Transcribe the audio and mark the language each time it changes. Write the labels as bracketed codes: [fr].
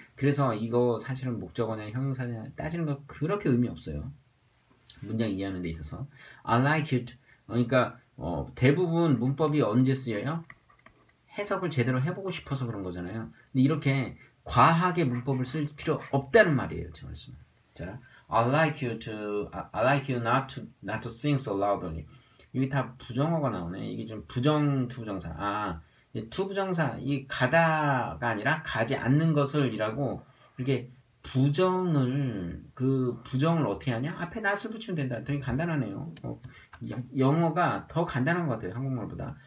[ko] 그래서 이거 사실은 목적어냐, 형용사냐 따지는 거 그렇게 의미 없어요. 문장 이해하는 데 있어서. [en] I like it. [ko] 그러니까, 대부분 문법이 언제 쓰여요? 해석을 제대로 해보고 싶어서 그런 거잖아요. 근데 이렇게, 과하게 문법을 쓸 필요 없다는 말이에요, 제 말씀은. 자, [en] I like you not to sing so loudly. [ko] 이게 다 부정어가 나오네. 이게 지금 투부정사. 아, 투부정사. 이게 가다가 아니라 가지 않는 것을 이라고 이렇게 부정을 어떻게 하냐? 앞에 not을 붙이면 된다. 되게 간단하네요. 영어가 더 간단한 것 같아요, 한국말보다.